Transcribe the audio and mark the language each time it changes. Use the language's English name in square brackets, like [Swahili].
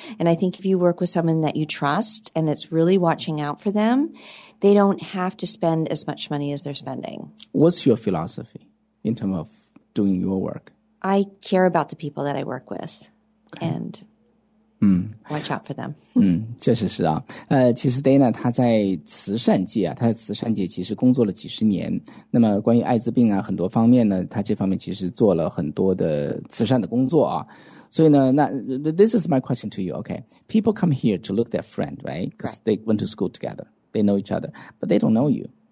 [English] And I think if you work with someone that you trust and that's really watching out for them, they don't have to spend as much money as they're spending. What's your philosophy in terms of doing your work? I care about the people that I work with. Okay. And watch out for them. [Chinese] 确实是啊。其实 Dana 他在慈善界啊，他在慈善界其实工作了几十年。那么关于艾滋病啊，很多方面呢，他这方面其实做了很多的慈善的工作啊。所以呢，那 [English] This is my question to you. Okay, people come here to look their friend, right? Because they went to school together, they know each other, but they don't know you.